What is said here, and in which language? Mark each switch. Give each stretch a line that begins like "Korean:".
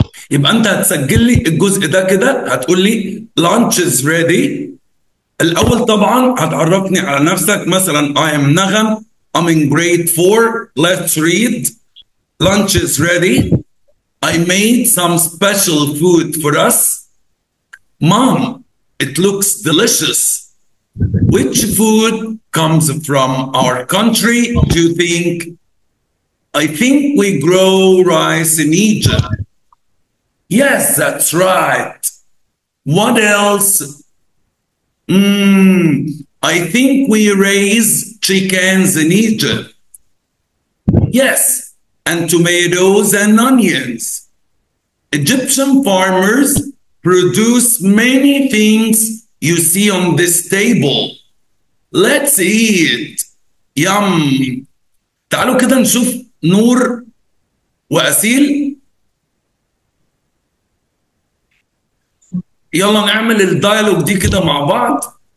Arabic: يبقى انت هتسجل لي الجزء ده كده هتقول لي
English: lunch is ready.
Arabic: الاول طبعا هتعرفني على نفسك مثلا
English: I am نغم I'm in grade 4 let's read lunch is ready I made some special food for us mom it looks delicious which food comes from our country do you think I think we grow rice in Egypt Yes, that's right. What else? I think we raise chickens in Egypt. Yes, and tomatoes and onions. Egyptian farmers produce many things you see on this table. Let's eat. Yum.
Arabic: تعالوا كده نشوف نور وأسيل. يلا نعمل الديالوج دي كده مع بعض.